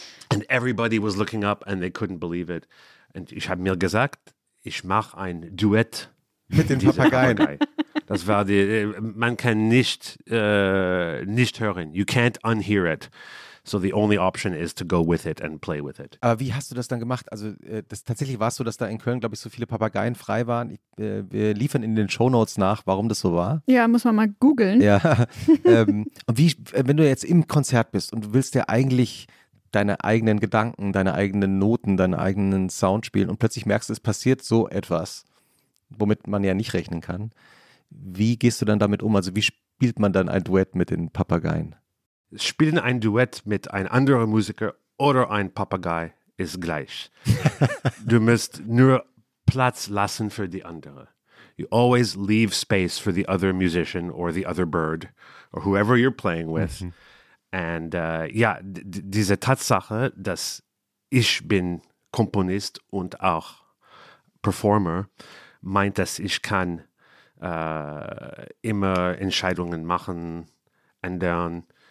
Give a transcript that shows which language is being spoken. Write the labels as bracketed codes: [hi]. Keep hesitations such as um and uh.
[en] and everybody was looking up and they couldn't believe it. [de] And ich habe mir gesagt, ich mach ein Duett mit den Papageien. Das war die, man kann nicht, nicht hören. [en] You can't unhear it. So die only option ist, zu go with it and play with it. [de] Aber wie hast du das dann gemacht? Also das, tatsächlich war es so, dass da in Köln, glaube ich, so viele Papageien frei waren. Ich, äh, wir liefern in den Show Notes nach, warum das so war. Ja, muss man mal googeln. Ja. und wie, wenn du jetzt im Konzert bist und du willst ja eigentlich deine eigenen Gedanken, deine eigenen Noten, deinen eigenen Sound spielen und plötzlich merkst, es passiert so etwas, womit man ja nicht rechnen kann. Wie gehst du dann damit um? Also wie spielt man dann ein Duett mit den Papageien? spielen ein Duett mit einem anderen Musiker oder ein Papagei ist gleich. du musst nur Platz lassen für die andere. [en] You always leave space for the other musician or the other bird or whoever you're playing with. [de] Mhm. Mm And uh, ja, diese Tatsache, dass ich bin Komponist und auch Performer, meint, dass ich kann uh, immer Entscheidungen machen, ändern.